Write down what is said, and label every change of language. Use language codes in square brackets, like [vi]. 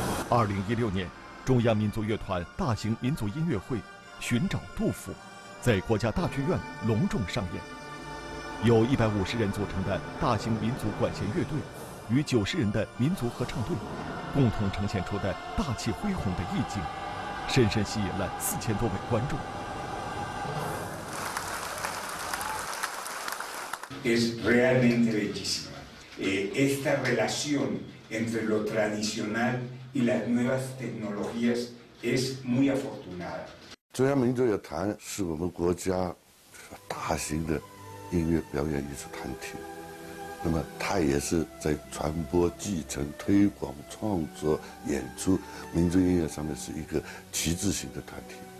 [zh] 2016年，中央民族乐团大型民族音乐会《寻找杜甫》在国家大剧院隆重上演，由150人组成的大型民族管弦乐队与90人的民族合唱队，共同呈现出的大气恢宏的意境，深深吸引了4000多位观众。 [es] Es realmente bellísima esta relación entre lo tradicional y las nuevas tecnologías es muy afortunada。 [zh] 中央民族乐团是我们国家大型的音乐表演艺术团体，那么它也是在传播、继承、推广、创作、演出民族音乐上面是一个旗帜型的团体。